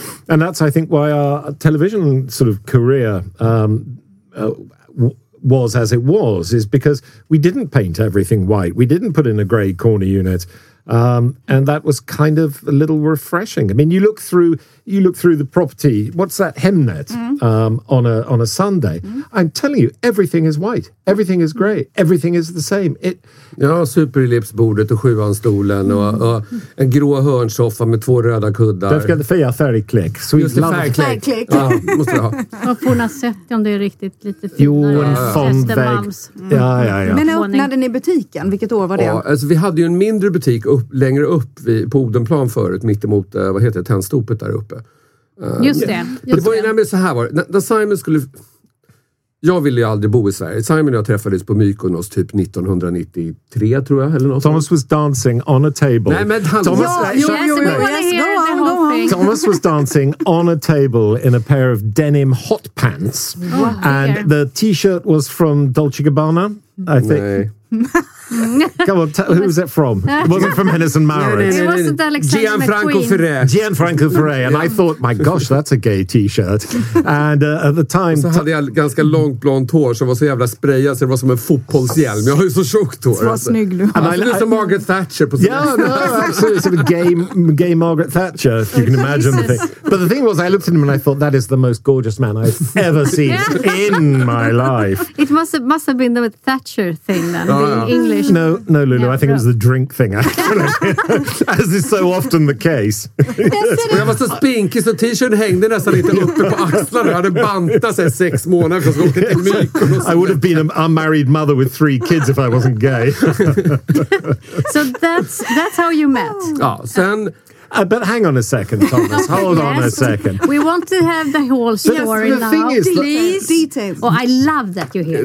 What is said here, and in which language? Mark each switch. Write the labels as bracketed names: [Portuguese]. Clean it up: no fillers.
[English] And that's, I think, why our television sort of career was as it was, is because we didn't paint everything white. We didn't put in a grey corner unit. And that was kind of a little refreshing. I mean, you look through the property. What's that, Hemnet? Mm. On a Sunday, I'm telling you, everything is white. Everything is grey. Everything is the same. [Swedish] Ja, superellipsbordet och sjuanstolen och en grå hörnsoffa med två röda kuddar. Därför kan det fia färgklick. Just det, färgklick. Ja, måste jag ha. Man får nog sett om det är riktigt lite finare. Jo, en fondvägg. Ja. Men när öppnade ni butiken? Vilket år var det? Ja, alltså, vi hade ju en mindre butik längre upp på Odenplan förut, mittemot, vad heter det, tändstopet där uppe. Just det. Var ju nämligen så här var det. När Simon skulle... Jag ville ju aldrig bo i Sverige. Simon och jag träffades på Mykonos typ 1993, tror jag, eller något. [English] Thomas sånt. Was dancing on a table. [Swedish] Nej, men [English] Thomas was dancing on a table in a pair of denim hot pants. Wow. And the t-shirt was from Dolce Gabbana, I think. [Swedish] Nej. [English] Come on, who was it from? It wasn't from Hennes and Mauritz. It wasn't Alexander McQueen. Gianfranco Ferre. Gianfranco Ferre. And I thought, my gosh, that's a gay t-shirt. And at the time... [Swedish] Så hade jag ganska långt blont hår som var så jävla sprayad, så det var som en fotbollshjälm. Jag har ju så tjockt hår. Så vad snygg du har. Du är som Margaret Thatcher på [English] sig. Yeah, no, absolutely. Gay Margaret Thatcher, if you can imagine the thing. But the thing was, I looked at him and I thought, that is the most gorgeous man I've ever seen in my life. It must have been the Thatcher thing then. English. No, Lulu, yeah, I think it was the drink thing, actually. As is so often the case. [Swedish] Yes, jag var så spinkig så t-shirt hängde nästan lite uppe på axlarna. Jag hade bantat sig 6 månader för att gå till Mykonos. [English] I would have been an unmarried mother with 3 kids if I wasn't gay. So that's how you met. [Swedish] Ja, sen... [English] But hang on a second, Thomas. Hold on a second. We want to have the whole story now. Yes, the thing is... Please. Details. Oh, I love that you're here.